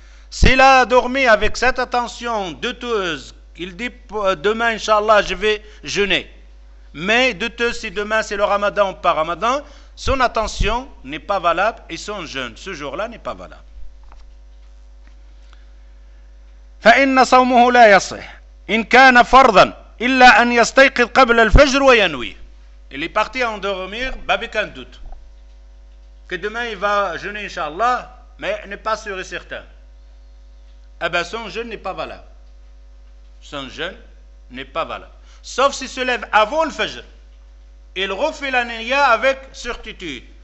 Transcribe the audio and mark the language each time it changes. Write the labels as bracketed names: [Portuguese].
[French] S'il a dormi avec cette attention douteuse, il dit demain, inshallah, je vais jeûner. Mais douteuse, si demain c'est le ramadan ou pas ramadan, son attention n'est pas valable et son jeûne, ce jour-là, n'est pas valable. [Arabic] فإن صومه لا يصح إن كان فرضا إلا أن يستيقظ قبل الفجر وينوي. [French] Il est parti endormir, pas avec un doute. Que demain il va jeûner, inshallah, mais n'est pas sûr et certain. Eh bien, son jeûne n'est pas valable. Son jeûne n'est pas valable. Sauf s'il se lève avant le fajr. Il refait la niya avec certitude.